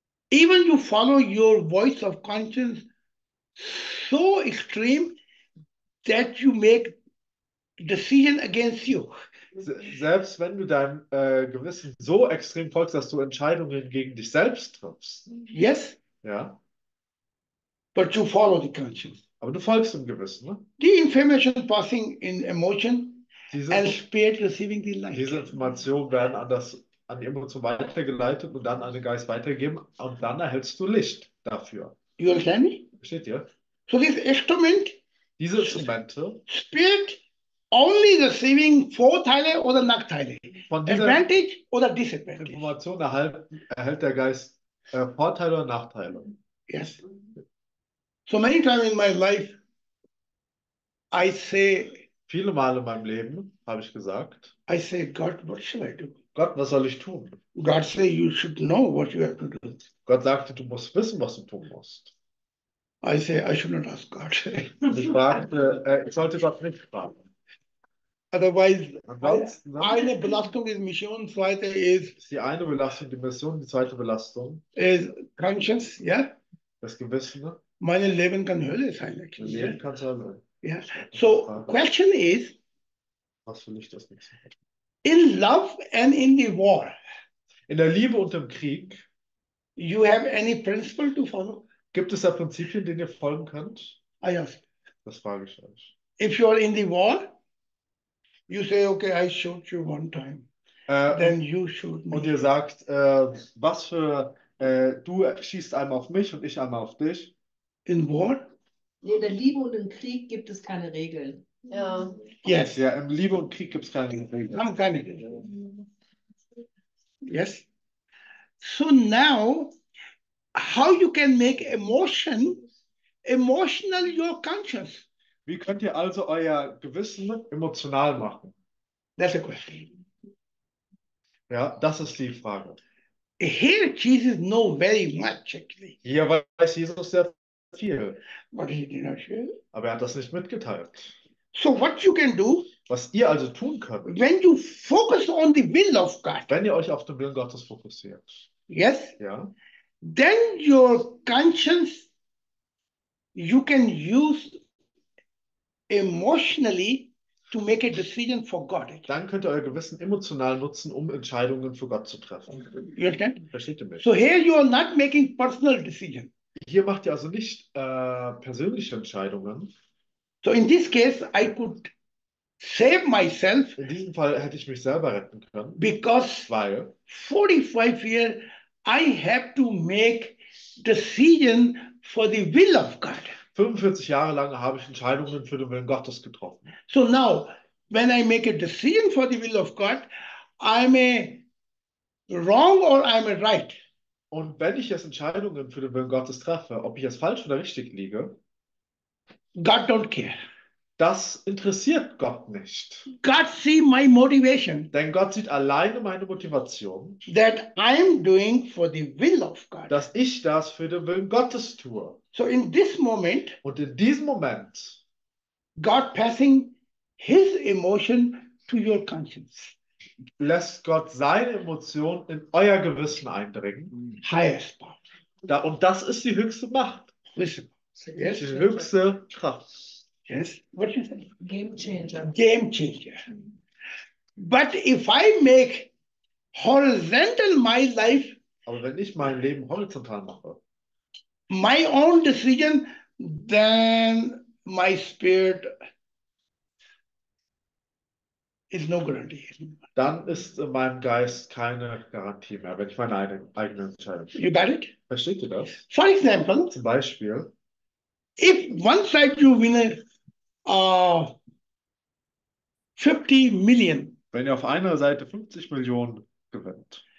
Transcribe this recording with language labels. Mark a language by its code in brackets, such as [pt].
[en] even you follow your voice of conscience so extreme that you make decision against you. [de] Selbst wenn du deinem Gewissen so extrem folgst, dass du Entscheidungen gegen dich selbst triffst. [en] Yes. [de] Ja. [en] But you follow the conscience. [de] Aber du folgst dem Gewissen. Ne? [en] The information passing in emotion. [de] Diese Informationen werden an die Emotion weitergeleitet und dann an den Geist weitergegeben, und dann erhältst du Licht dafür. [en] You understand me? [de] Versteht ihr? [en] So this instrument, [de] diese Instrumente, [en] Spirit only receiving [de] Vorteile oder Nachteile, [en] Advantage [de] oder [en] Disadvantage. [de] Information erhält der Geist Vorteile oder Nachteile. [en] Yes. So many times in my life, I say. [de] Viele Male in meinem Leben habe ich gesagt, [en] I say, God, what shall I do? [de] Gott, was soll ich tun? [en] God say, you should know what you have to do. [de] Gott sagte, du musst wissen, was du tun musst. [en] I say, I should not ask God. [de] Und ich fragte, ich sollte Gott nicht fragen. [en] Otherwise, [de] eine Belastung ist Mission, zweite ist, die eine Belastung, die Mission, die zweite Belastung ist [en] conscience, yeah? [de] Das Gewissen. Mein Leben kann Hölle sein. Mein Leben kann sein. Ja. [en] So, question is, [de] was für mich das nächste? [en] In love and in the war. [de] In der Liebe und im Krieg. [en] You have any principle to follow? [de] Gibt es da Prinzipien, denen ihr folgen könnt? [en] Ah, yes. [de] Das frage ich euch. [en] If you are in the war, you say, okay, I shoot you one time. Then you shoot me. [de] Und ihr sagt, was für, du schießt einmal auf mich und ich einmal auf dich. [en] In war? [de] Nee, in der Liebe und im Krieg gibt es keine Regeln. Ja. [en] Yes. [de] Ja, im Liebe und Krieg gibt es keine Regeln. Haben keine Regeln. [en] Yes. So now, how you can make emotional your conscience? [de] Wie könnt ihr also euer Gewissen emotional machen? [en] That's a question. [de] Ja, das ist die Frage. [en] Here Jesus know very much actually. [de] Hier weiß Jesus sehr viel. [en] But he did not share. [de] Aber er hat das nicht mitgeteilt. [en] So what you can do? [de] Was ihr also tun könnt. [en] When you focus on the will of God. [de] Wenn ihr euch auf den Willen Gottes fokussiert. [en] Yes. [de] Ja. [en] Then your conscience, you can use emotionally to make a decision for God. [de] Dann könnt ihr euer Gewissen emotional nutzen, um Entscheidungen für Gott zu treffen. [en] You understand? [de] Versteht ihr mich? [en] So here you are not making personal decision. [de] Hier macht ihr also nicht persönliche Entscheidungen. [en] So in this case, I could save myself. [de] In diesem Fall hätte ich mich selber retten können. [en] Because [de] weil [en] 45 years I have to make decision for the will of God. [de] 45 Jahre lang habe ich Entscheidungen für den Willen Gottes getroffen. [en] So now, when I make a decision for the will of God, I'm a wrong or I'm a right. [de] Und wenn ich jetzt Entscheidungen für den Willen Gottes treffe, ob ich jetzt falsch oder richtig liege, [en] God don't care. [de] Das interessiert Gott nicht. [en] God see my motivation. [de] Denn Gott sieht alleine meine Motivation, [en] that I'm doing for the will of God. [de] Dass ich das für den Willen Gottes tue. [en] So in this moment, [de] und in diesem Moment, [en] God passing his emotion to your conscience. [de] Lässt Gott seine Emotion in euer Gewissen eindringen. [en] Highest power. [de] Da, und das ist die höchste Macht. [en] Wisdom. Yes. [de] Die höchste Kraft. [en] Yes. What you say? Game changer. Game changer. But if I make horizontal my life, [de] aber wenn ich mein Leben horizontal mache, [en] my own decision, then my spirit is no guarantee. [de] Dann ist in meinem Geist keine Garantie mehr, wenn ich meine eigene Entscheidung. [en] You got it? [de] Versteht ihr das? [en] For example, [de] zum Beispiel, [en] if one side you win a 50 million, [de] wenn ihr auf einer Seite 50 Millionen gewinnt,